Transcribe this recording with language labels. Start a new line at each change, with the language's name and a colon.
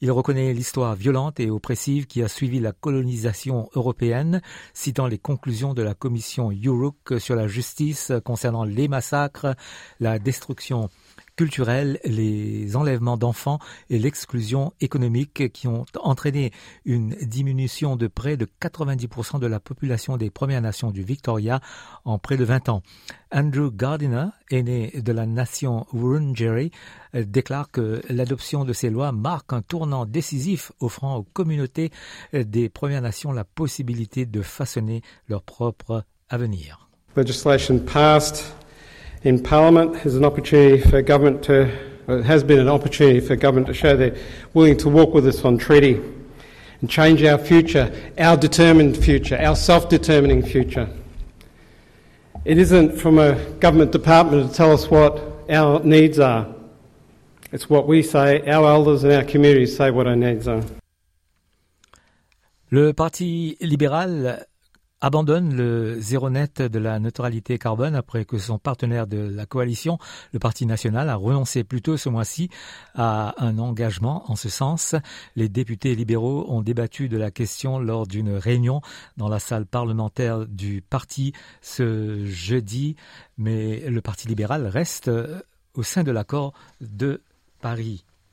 French: Il reconnaît l'histoire violente et oppressive qui a suivi la colonisation européenne, citant les conclusions de la commission Yuruk sur la justice concernant les massacres, la destruction culturelle, les enlèvements d'enfants et l'exclusion économique qui ont entraîné une diminution de près de 90% de la population des Premières Nations du Victoria en près de 20 ans. Andrew Gardiner, aîné de la nation Wurundjeri, déclare que l'adoption de ces lois marque un tournant décisif offrant aux communautés des Premières Nations la possibilité de façonner leur propre avenir.
English: Legislation passed. In Parliament is an opportunity for government to well, it has been an opportunity for government to show they're willing to walk with us on treaty and change our future, our determined future, our self-determining future. It isn't from a government department to tell us what our needs are. It's what we say, our elders and our communities say what our needs are.
French: Le Parti libéral abandonne le zéro net de la neutralité carbone après que son partenaire de la coalition, le Parti national, a renoncé plus tôt ce mois-ci à un engagement en ce sens. Les députés libéraux ont débattu de la question lors d'une réunion dans la salle parlementaire du parti ce jeudi, mais le Parti libéral reste au sein de l'accord de Paris.